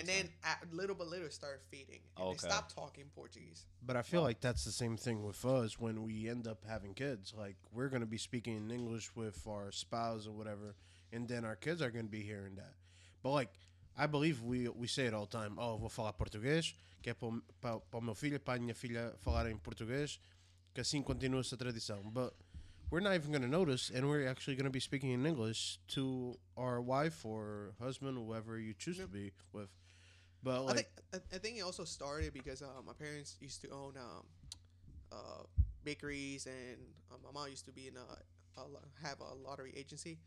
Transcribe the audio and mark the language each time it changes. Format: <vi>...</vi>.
<en>And then little by little started feeding. And they stopped talking Portuguese. But I feel like that's the same thing with us when we end up having kids. Like we're gonna be speaking in English with our spouse or whatever, and then our kids are gonna be hearing that. But like I believe we say it all the time.</en> <pt>Oh, vou falar português, que é para o meu filho e para a minha filha falar em português, que assim continua essa tradição.</pt> <en>But we're not even going to notice, and we're actually going to be speaking in English to our wife or husband, whoever you choose to be with. But like, I think it also started because my parents used to own bakeries, and my mom used to be in a lottery agency.</en>